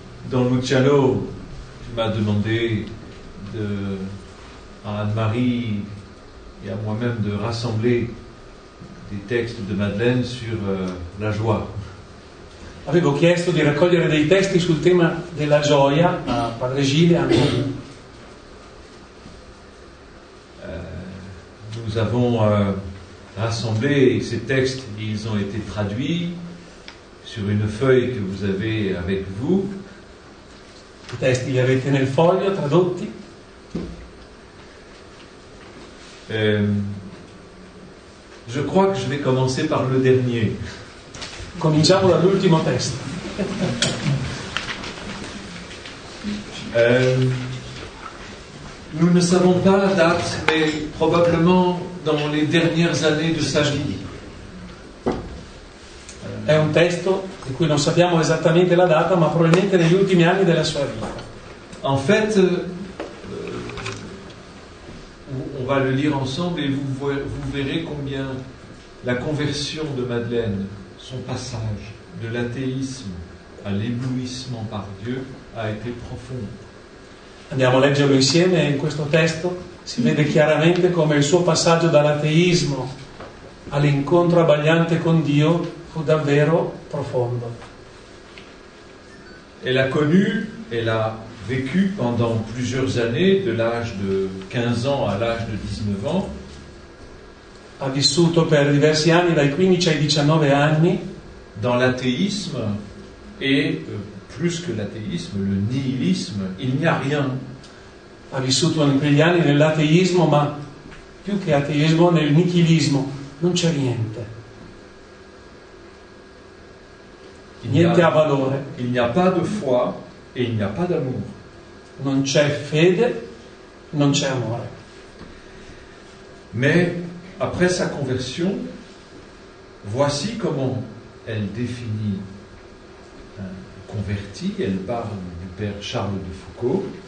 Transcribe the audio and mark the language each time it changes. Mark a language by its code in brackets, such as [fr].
[fr] Don Luciano m'a demandé de, à Anne-Marie et à moi-même de rassembler des textes de Madeleine sur la joie. [it] Avevo chiesto di raccogliere dei testi sul tema della gioia a Padre Gilles e a me. [fr] Nous avons rassemblé ces textes, ils ont été traduits sur une feuille que vous avez avec vous. [it] I testi li avete nel foglio tradotti. [fr] Je crois que je vais commencer par le dernier. [it] Cominciamo dall'ultimo testo. Euh, [fr] Nous ne savons pas la date, mais probablement dans les dernières années de sa vie. [it] È un testo di cui non sappiamo esattamente la data, ma probabilmente negli ultimi anni della sua vita. [fr] En fait, on va le lire ensemble et vous verrez combien la conversion de Madeleine, son passage de l'athéisme à l'éblouissement par Dieu, a été profond. [it] Andiamo a leggerlo insieme e in questo testo si vede chiaramente come il suo passaggio dall'ateismo all'incontro abbagliante con Dio fu davvero profondo. [fr] Elle a connu, elle a vécu pendant plusieurs années, de l'âge de 15 ans à l'âge de 19 ans. [it] Ha vissuto per diversi anni, dai 15 ai 19 anni, [fr] dans l'athéisme et plus que l'athéisme, le nihilisme, il n'y a rien. [it] Ha vissuto in quegli anni nell'ateismo, ma più che ateismo, nel nichilismo, non c'è niente. Niente ha valore. [fr] Il n'y a pas de foi et il n'y a pas d'amour. [it] Non c'è fede, non c'è amore. [fr] Mais après sa conversion, voici comment elle définit converti, elle parle du père Charles de Foucault.